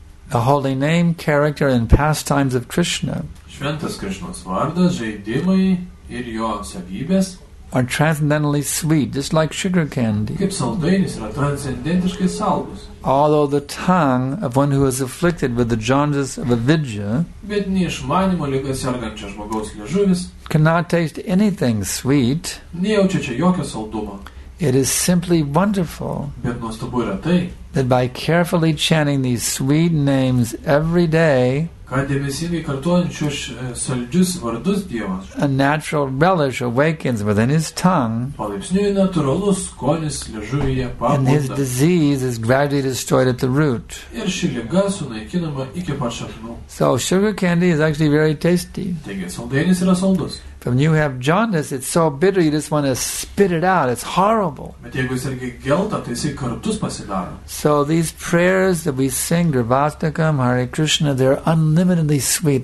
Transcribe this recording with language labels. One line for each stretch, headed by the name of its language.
English: The holy name, character, and pastimes of Krishna.
Lithuanian: Šventas Krishnos vardas, žaidimai ir jo savybės
English: are transcendentally sweet, just like sugar candy.
Lithuanian: Kaip saldainis yra transcendentiškai saldus.
English: Although the tongue of one who is afflicted with the jaundice of avidya,
Lithuanian: bet neišmanimo liga sergančio žmogaus liežuvis,
English: cannot taste anything sweet.
Lithuanian: Nejaučia čia jokio saldumo.
English: It is simply wonderful
Lithuanian: bet nuostabu yra tai,
English: that by carefully chanting these sweet names every day,
Lithuanian: kad dėmesingai kartuojant šiuos saldžius vardus Dievas,
English: a natural relish awakens within his tongue,
Lithuanian: palaipsniui natūralus skonis liežuvyje pabunda,
English: and his disease is gradually destroyed at the root.
Lithuanian: Ir ši liga sunaikinama iki pat šaknų.
English: So sugar candy is actually very tasty.
Lithuanian: Taigi saldainis yra saldus.
English: When you have jaundice, it's so bitter, you just want to spit it out. It's horrible.
Lithuanian: Bet jeigu jis irgi gelta, tai jis kartus pasidaro.
English: So these prayers that we sing, Gurvastakam, Hare Krishna, they're unlimitedly sweet.